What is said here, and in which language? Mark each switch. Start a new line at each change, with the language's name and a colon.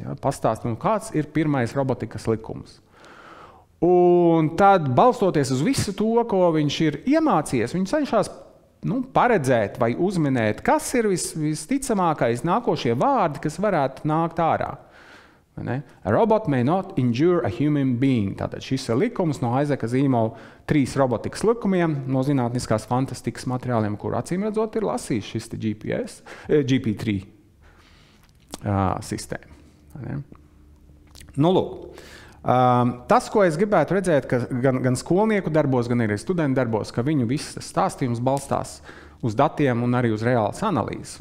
Latvian: Ja, pastāst, nu, kāds ir pirmais robotikas likums. Un tad, balstoties uz visu to, ko viņš ir iemācījies, viņš cenšās nu, paredzēt vai uzminēt, kas ir visticamākais nākošie vārdi, kas varētu nākt ārā. Vai ne?
English: A robot may not injure a human being.
Latvian: Tātad šis ir likums no Aizeka Zīmova trīs robotikas likumiem no zinātniskās fantastikas materiāliem, kur acīmredzot ir lasījis šis te GP3 sistēma. Vai ne? Nu, lūk. Tas, ko es gribētu redzēt, ka gan skolnieku darbos, gan arī studentu darbos, ka viņu viss tas stāstījums balstās uz datiem un arī uz reālas analīzes.